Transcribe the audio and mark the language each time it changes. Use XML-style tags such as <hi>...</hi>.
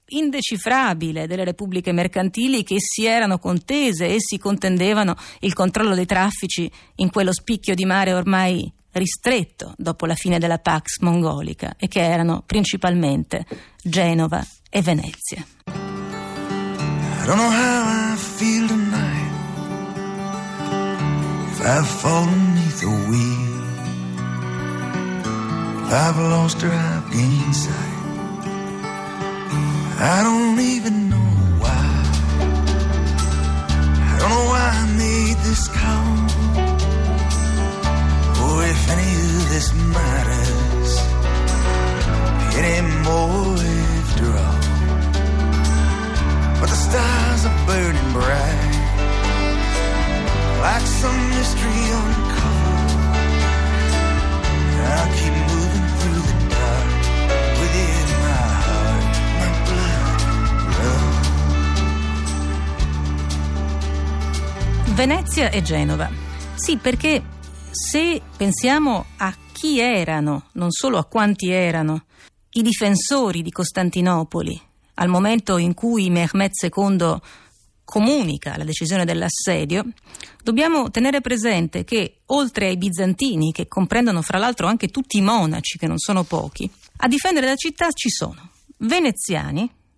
<it>indecifrabile delle repubbliche mercantili che si erano contese e si contendevano il controllo dei traffici in quello spicchio di mare ormai ristretto dopo la fine della Pax Mongolica, e che erano principalmente Genova e Venezia.</it> <en>I don't know how I feel tonight, if I've fallen beneath the wheel, if I've lost or I've gained sight. I don't even know why. I don't know why I made this call, or if any of this matters anymore after all. But the stars are burning bright, like some mystery uncovered. I'll keep moving through the dark, within my heart, my blood, love.</en> <it>Venezia e Genova. Sì, perché se pensiamo a chi erano, non solo a quanti erano, i difensori di Costantinopoli al momento in cui Mehmed II comunica la decisione dell'assedio, dobbiamo tenere presente che, oltre ai bizantini, che comprendono fra l'altro anche tutti i monaci, che non sono pochi, a difendere la città ci sono veneziani,</it>